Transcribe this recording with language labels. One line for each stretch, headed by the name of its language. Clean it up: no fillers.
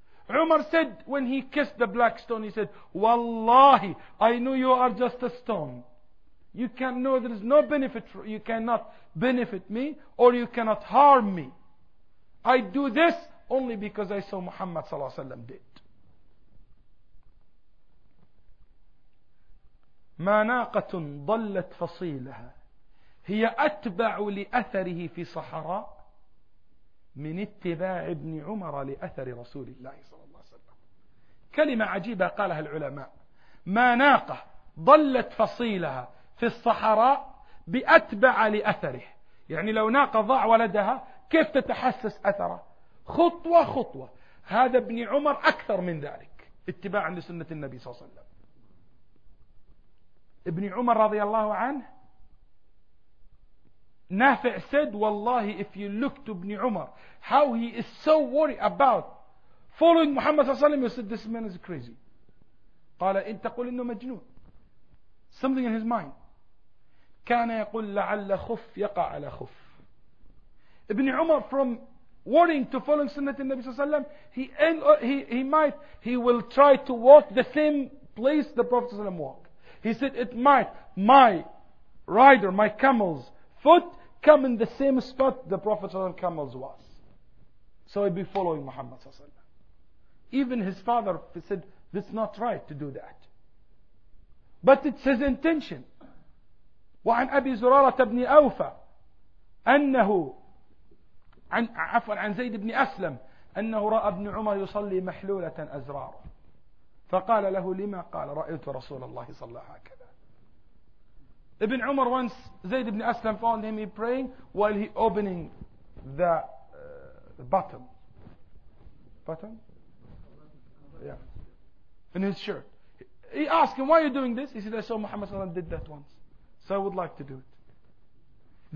English: Umar said when he kissed the black stone, he said Wallahi, I know you are just a stone, you can know there is no benefit, you cannot benefit me or you cannot harm me. I do this only because I saw Muhammad صلى الله عليه وسلم did.
Arabic: ما ناقة ضلت فصيلها هي أتبع لأثره في صحراء من اتباع ابن عمر لأثر رسول الله صلى الله عليه وسلم. كلمة عجيبة قالها العلماء، ما ناقة ضلت فصيلها في الصحراء بأتبع لأثره، يعني لو ناقة ضاع ولدها كيف تتحسس أثره خطوة خطوة. هذا ابن عمر أكثر من ذلك اتباعا لسنة النبي صلى الله عليه وسلم.
English: ابن عمر رضي الله عنه نافع said wallahi if you look to ابن عمر how he is so worried about following محمد صلى الله عليه وسلم, you said this man is crazy.
Arabic: قال انت قل انه مجنون.
English: Something in his mind.
Arabic: كان يقول لعل خف يقع على خف.
English: ابن عمر from worrying to follow سنة النبي صلى الله عليه وسلم he will try to walk the same place the Prophet صلى الله عليه وسلم walked. He said, "It might my rider, my camel's foot, come in the same spot the Prophet on camels was, so he'd be following Muhammad صلى الله عليه وسلم." Even his father said, "It's not right to do that." But it's his intention.
Arabic: وعن أبي زرارة بن أوفى أنه عن زيد بن أسلم أنه رأى ابن عمر يصلي محلولة أزرار. فقال له لما؟ قال رأيت رسول الله صلى الله عليه وسلم هكذا.
English: ابن عمر once زيد بن أسلم found him praying while he opening the button yeah in his shirt. He asked him why are you doing this. He said I saw Muhammad صلى الله عليه وسلم did that once, so I would like to do it.